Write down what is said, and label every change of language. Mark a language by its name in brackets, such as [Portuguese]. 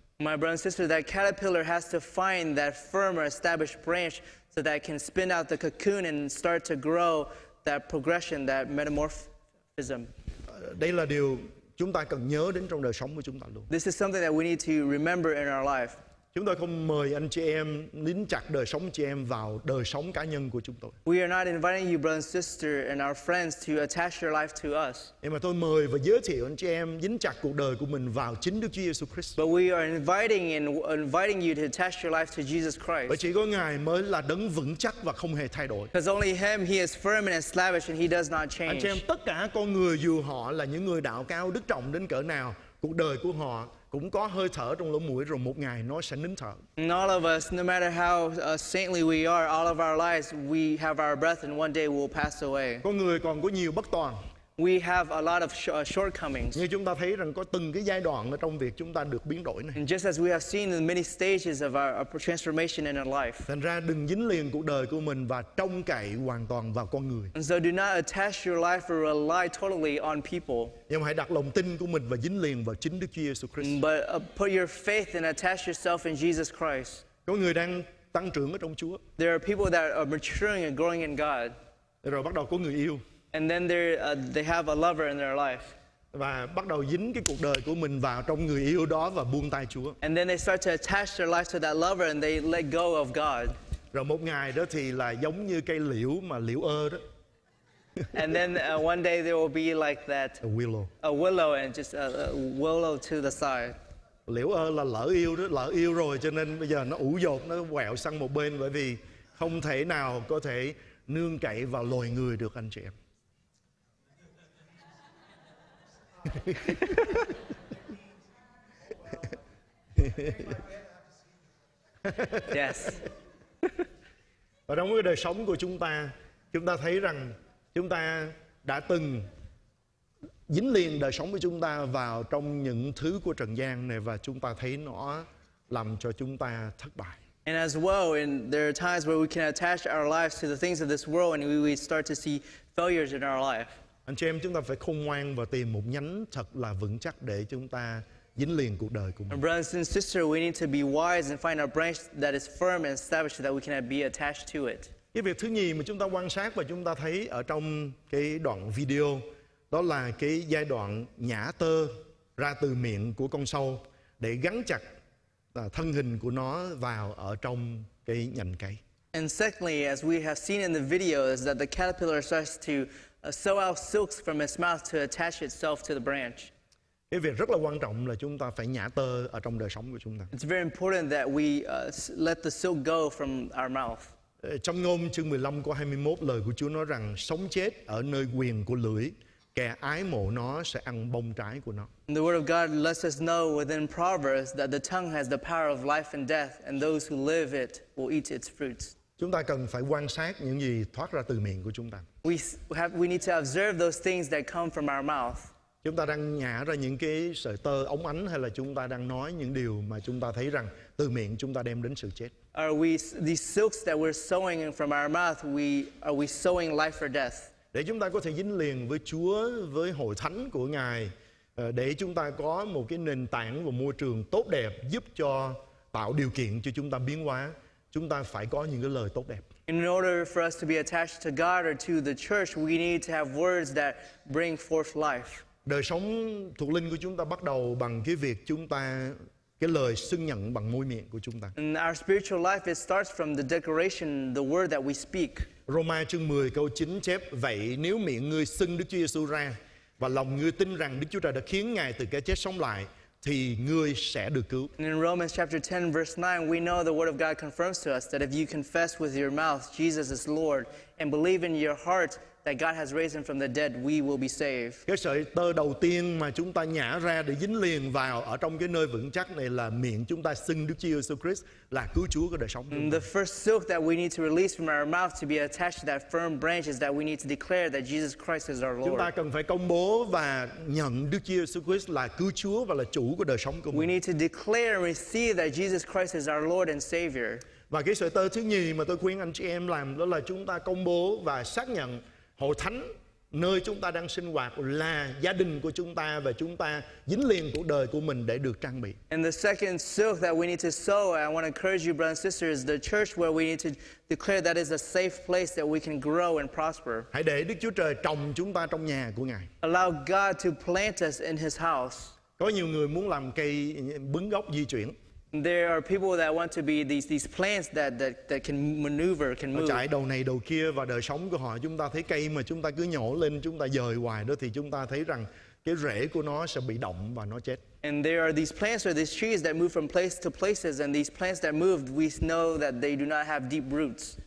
[English] My brother and sister, that caterpillar has to find that firmer established branch so that it can spin out the cocoon and start to grow that progression, that metamorphism. [Vietnamese] Đây là điều chúng ta cần nhớ đến trong đời sống của chúng ta luôn. [English] This is something that we need to remember in our life. [Vietnamese] Chúng tôi không mời anh chị em nín chặt đời sống chị em vào đời sống cá nhân của chúng tôi. [English] We are not inviting you, brother and sister, and our friends to attach your life to us. [Vietnamese] Nhưng mà tôi mời và giới thiệu anh chị em dính chặt cuộc đời của mình vào chính Đức Chúa Giêsu Christ. [English] But we are inviting you to attach your life to Jesus Christ. [Vietnamese] Bởi chỉ có Ngài mới là đấng vững chắc và không hề thay đổi. [English] Because only Him, He is firm and established, and He does not change. [Vietnamese] Anh chị em, tất cả con người dù họ là những người đạo cao đức trọng đến cỡ nào, cuộc đời của họ cũng có hơi thở trong lỗ mũi rồi một ngày nó sẽ nín thở. [English] And all of us, no matter how saintly we are, all of our lives we have our breath and one day we'll pass away. [Vietnamese] Con người còn có nhiều bất toàn. [English] We have a lot of shortcomings. [Vietnamese] Như chúng ta thấy rằng có từng cái giai đoạn ở trong việc chúng ta được biến đổi này. [English] And just as we have seen in many stages of our transformation in our life. [Vietnamese] Thành ra đừng dính liền cuộc đời của mình và trông cậy hoàn toàn vào con người. [English] And so do not attach your life or rely totally on people. [Vietnamese] Nhưng hãy đặt lòng tin của mình và dính liền vào chính Đức Chúa Giêsu Christ. [English] But put your faith and attach yourself in Jesus Christ. [Vietnamese] Có người đang tăng trưởng ở trong Chúa. [English] There are people that are maturing and growing in God. [Vietnamese] Rồi bắt đầu có người yêu. [English] And then they have a lover in their life. [Vietnamese] Và bắt đầu dính cái cuộc đời của mình vào trong người yêu đó và buông tay Chúa. [English] And then they start to attach their life to that lover and they let go of God. [Vietnamese] Rồi một ngày đó thì là giống như cây liễu mà liễu ơ đó. [English] And then one day there will be like that. A willow. A willow and just a willow to the side. [Vietnamese] Liễu ơ là lỡ yêu đó, lỡ yêu rồi cho nên bây giờ nó ủ dột, nó quẹo sang một bên bởi vì không thể nào có thể nương cậy vào loài người được anh chị em. [English] Yes. [Vietnamese] Và trong cái đời sống của chúng ta thấy rằng chúng ta đã từng dính liền đời sống của chúng ta vào trong những thứ của trần gian này và chúng ta thấy nó làm cho chúng ta thất bại. [English] And as well, and there are times where we can attach our lives to the things of this world and we start to see failures in our life. [Vietnamese] Anh chị em, chúng ta phải khôn ngoan và tìm một nhánh thật là vững chắc để chúng ta dính liền cuộc đời của mình. [English] Brothers and sisters, we need to be wise and find a branch that is firm and established so that we can be attached to it. [Vietnamese] Cái việc thứ nhì mà chúng ta quan sát và chúng ta thấy ở trong cái đoạn video đó là cái giai đoạn nhả tơ ra từ miệng của con sâu để gắn chặt thân hình của nó vào ở trong cái nhành cây. [English] And secondly, as we have seen in the video, is that the caterpillar starts to sew out silks from its mouth to attach itself to the branch. [Vietnamese] Cái việc rất là quan trọng là chúng ta phải nhả tơ ở trong đời sống của chúng ta. [English] It's very important that we let the silk go from our mouth. [Vietnamese] Trong Ngôn chương 15 câu 21 lời của Chúa nói rằng sống chết ở nơi quyền của lưỡi, kẻ ái mộ nó sẽ ăn bông trái của nó. [English] And the word of God lets us know within Proverbs that the tongue has the power of life and death, and those who live it will eat its fruits. [Vietnamese] Chúng ta cần phải quan sát những gì thoát ra từ miệng của chúng ta. [English] We need to observe those things that come from our mouth. [Vietnamese] Chúng ta đang nhả ra những cái sợi tơ ống ánh hay là chúng ta đang nói những điều mà chúng ta thấy rằng từ miệng chúng ta đem đến sự chết. [English] Are we the silks that we're sowing from our mouth? Are we sowing life or death? [Vietnamese] Để chúng ta có thể dính liền với Chúa, với hội thánh của Ngài, để chúng ta có một cái nền tảng và môi trường tốt đẹp giúp cho tạo điều kiện cho chúng ta biến hóa. Chúng ta phải có những cái lời tốt đẹp. [English] In order for us to be attached to God or to the church, we need to have words that bring forth life. [Vietnamese] Đời sống thuộc linh của chúng ta bắt đầu bằng cái việc chúng ta cái lời xưng nhận bằng môi miệng của chúng ta. [English] And our spiritual life it starts from the declaration, the word that we speak. [Vietnamese] Roma chương 10 câu 9 chép: Vậy nếu miệng ngươi xưng Đức Chúa Giêsu ra và lòng ngươi tin rằng Đức Chúa Trời đã khiến Ngài từ cái chết sống lại thì ngươi sẽ được cứu. [English] And in Romans chapter 10 verse 9 we know the word of God confirms to us that if you confess with your mouth Jesus is Lord and believe in your heart that God has raised him from the dead we will be saved. [Vietnamese] Cái sợi tơ đầu tiên mà chúng ta nhả ra để dính liền vào ở trong cái nơi vững chắc này là miệng chúng ta xưng Đức Chúa Jesus Christ là cứu Chúa của đời sống chúng ta. [English] The first silk that we need to release from our mouth to be attached to that firm branch is that we need to declare that Jesus Christ is our Lord. [Vietnamese] Chúng ta cần phải công bố và nhận Đức Chúa Jesus Christ là cứu Chúa và là chủ của đời sống của mình. [English] We need to declare and receive that Jesus Christ is our Lord and Savior. [Vietnamese] Và cái sợi tơ thứ nhì mà tôi khuyên anh chị em làm đó là chúng ta công bố và xác nhận Hội thánh nơi chúng ta đang sinh hoạt là gia đình của chúng ta và chúng ta dính liền cuộc đời của mình để được trang bị. [English] And the second silk that we need to sow, I want to encourage you, brothers and sisters, the church where we need to declare that is a safe place that we can grow and prosper. [Vietnamese] Hãy để Đức Chúa Trời trồng chúng ta trong nhà của Ngài. [English] Allow God to plant us in His house. [Vietnamese] Có nhiều người muốn làm cây bứng gốc di chuyển. [English] There are people that want to be these plants that can maneuver, can move. [Vietnamese] Nó chạy đầu này đầu kia và đời sống của họ, chúng ta thấy cây mà chúng ta cứ nhổ lên, chúng ta dời hoài đó, thì chúng ta thấy rằng cái rễ của nó sẽ bị động và nó chết. [English] And there are these plants or these trees that move from place to places, and these plants that move, we know that they do not have deep roots.